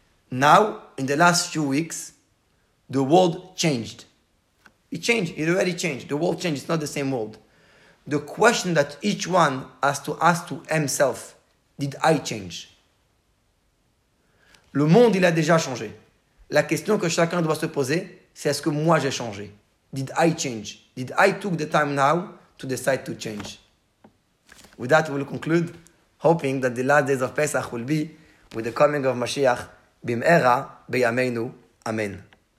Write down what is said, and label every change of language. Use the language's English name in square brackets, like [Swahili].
[English] Now, in the last few weeks, the world changed. It already changed. The world changed. It's not the same world. The question that each one has to ask to himself, did I change? [French] Le monde, il a déjà changé. La question que chacun doit se poser, c'est est-ce que moi j'ai changé? [English] Did I change? Did I took the time now to decide to change? With that, we'll conclude, hoping that the last days of Pesach will be with the coming of Mashiach. [Hebrew] Bim'era, bayameinu, amen.